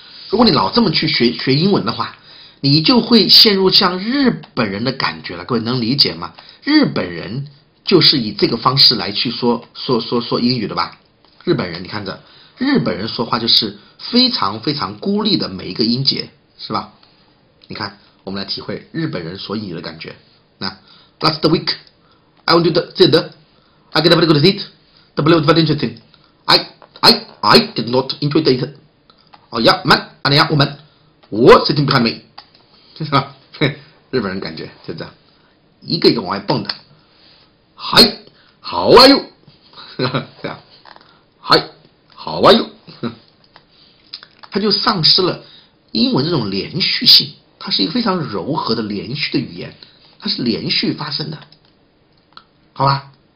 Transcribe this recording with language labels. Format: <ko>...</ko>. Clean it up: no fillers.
<zh>如果你老这么去学英文的话，你就会陷入像日本人的感觉了。各位能理解吗？日本人就是以这个方式来去说英语的吧？日本人，你看着。日本人说话就是非常非常孤立的每一个音节，是吧？你看，我们来体会日本人说英语的感觉。</zh> <en>那 last week, I want to do the, I get a very good seat, the plane was very interesting. I did not enjoy the. Oh yeah, man, and yeah, woman, what sitting behind me?</en> <zh>是吧？日本人感觉就这样，一个一个往外蹦的。</zh> <en>Hi, how are you?</en> <zh>这样</zh> <en>，Hi。</en> <zh>好啊哟，他就丧失了英文这种连续性，它是一个非常柔和的连续的语言，它是连续发生的，好吧？</zh>